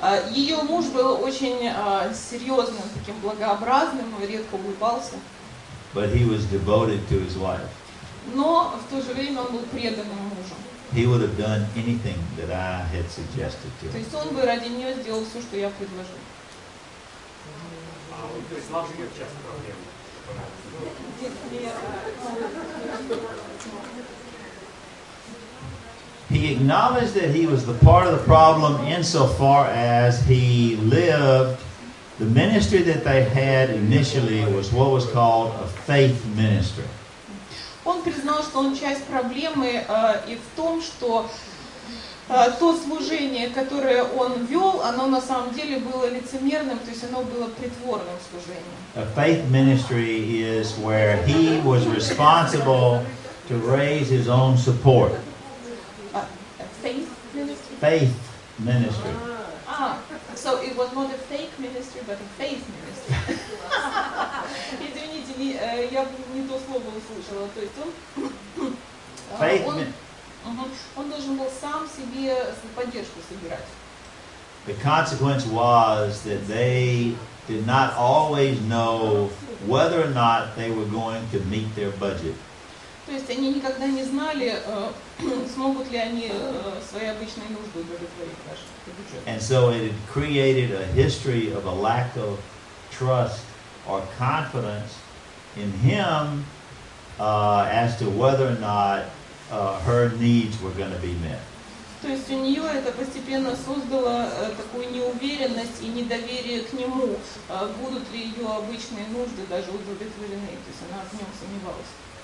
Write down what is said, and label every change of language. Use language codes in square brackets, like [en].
[ru] Ее муж был очень серьезным, таким благообразным, редко улыбался. [en] But he was devoted to his wife. [ru] Но в то же время он был преданным мужем. [en] He would have done anything that I had suggested to him. [ru] То есть он бы ради нее сделал все, что я предложил. [en] He acknowledged that he was the part of the problem insofar as he lived. The ministry that they had initially was what was called a faith ministry. [ru] Он признал, что он часть проблемы, и в том, что то служение, которое он вел, оно на самом деле было лицемерным, то есть оно было притворным служением. [en] A faith ministry is where he was responsible to raise his own support. Faith ministry. So it was not a fake ministry, but a faith ministry. [ru] Извините, я не то слово услышала. То есть он должен был сам себе поддержку собирать. [en] The consequence was that they did not always know whether or not they were going to meet their budget. [ru] То есть они никогда не знали, смогут ли они свои обычные нужды удовлетворить даже. [en] And so it had created a history of a lack of trust or confidence in him as to whether or not her needs were going to be met. [ru] То есть у нее это постепенно создало такую неуверенность и недоверие к нему. Будут ли ее обычные нужды даже удовлетворены? То есть она в нем сомневалась.